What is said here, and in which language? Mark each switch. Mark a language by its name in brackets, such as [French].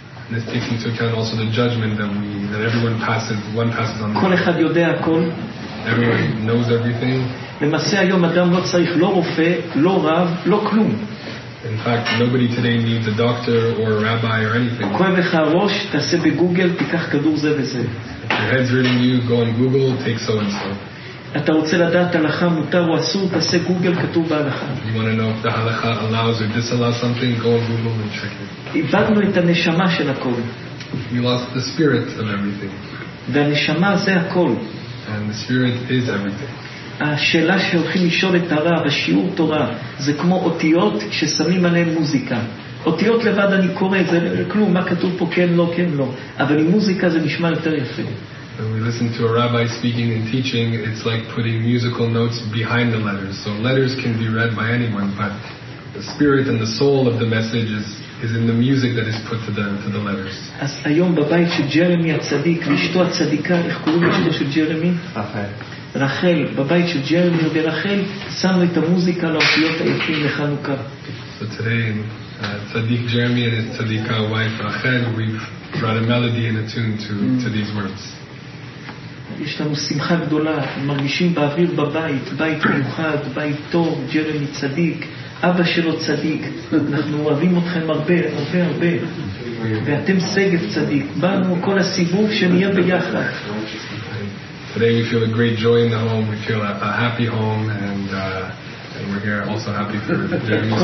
[English] This takes into account also the judgment that we that everyone passes, one passes on. [Hebrew] כל אחד יודע הכל. [English] Everyone knows everything. [Hebrew] למעשה היום אדם לא צריך לא רופא, לא רב, לא כלום. [English] In fact, nobody today needs a doctor or a rabbi or anything. [Hebrew] כואב לך הראש, תעשה בגוגל, תיקח כדור זה וזה. [English] If your head's hurting you, go on Google, take so and so. [Hebrew] אתה רוצה לדעת הלכה מותר או אסור, תעשה גוגל כתוב בהלכה. [English] You want to know if the halakha allows or disallows something, go on Google and check it. [Hebrew] איבדנו את הנשמה של הכל. [English] We lost the spirit of everything. [Hebrew] והנשמה זה הכל. [English] And the spirit is everything. [Hebrew] השאלה שהולכים לשאול את הרב, השיעור תורה, זה כמו אותיות ששמים עליהן מוזיקה. אותיות לבד אני קורא, זה כלום, מה כתוב פה, כן, לא, כן, לא. אבל עם מוזיקה זה נשמע יותר יפה. [English] When we listen to a rabbi speaking and teaching, it's like putting musical notes behind the letters. So letters can be read by anyone, but the spirit and the soul of the message is in the music that is put to the letters. [Hebrew] אז היום בבית של ג'רמי הצדיק, ואשתו הצדיקה, איך קוראים אשתו של ג'רמי? רחל, בבית של ג'רמי ורחל, שמו את המוזיקה לאותיות היפים לחנוכה. [English] So today, צדיק ג'רמי and his צדיקה wife רחל, we've brought a melody and a tune to these words. [Hebrew] יש לנו שמחה גדולה, מרגישים באוויר בבית, בית מיוחד, בית טוב, ג'רמי צדיק, אבא שלו צדיק, אנחנו אוהבים אתכם הרבה, הרבה הרבה, ואתם סגב צדיק, באנו כל הסיבוב שנהיה ביחד. [English] Today we feel a great joy in the home, we feel a happy home, and we're here also happy for Jeremy's